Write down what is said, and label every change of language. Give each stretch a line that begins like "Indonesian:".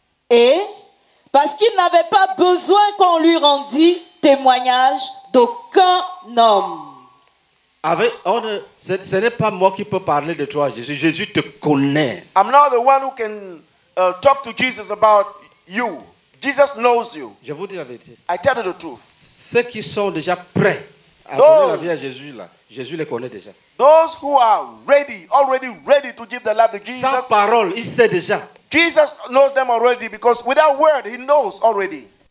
French: Et parce qu'il n'avait pas besoin qu'on lui rendît témoignage d'aucun homme. Avec, on, ce n'est pas moi qui peux parler de toi, Jésus. Jésus te connaît.
English: I'm not the one who can talk to Jesus about you. Jesus knows you.
French: Je vous dis la vérité.
English: I tell you the truth.
French: Ceux qui sont déjà prêts à donner la vie à Jésus là, Jésus les connaît déjà.
English: Those who are ready, already ready to give their life to Jesus.
French: Sans parole, il sait déjà.
English: Jesus knows them already because without word, he knows already.